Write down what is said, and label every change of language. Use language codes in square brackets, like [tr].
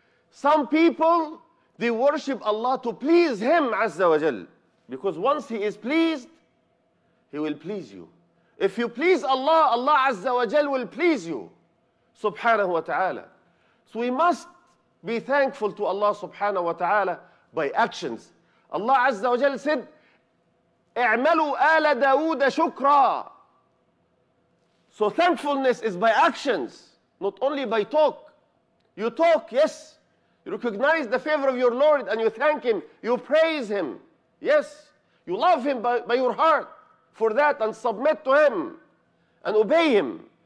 [en] Some people, they worship Allah to please Him, Azza wa Jal. Because once He is pleased, He will please you. If you please Allah, Allah Azza wa Jal will please you, subhanahu wa ta'ala. So we must be thankful to Allah subhanahu wa ta'ala by actions. [ar] الله عز وجل سد اعملوا آل داود شكرا. [en] So thankfulness is by actions, not only by talk. You talk, yes. You recognize the favor of your Lord and you thank Him. You praise Him. Yes. You love Him by your heart for that and submit to Him and obey Him.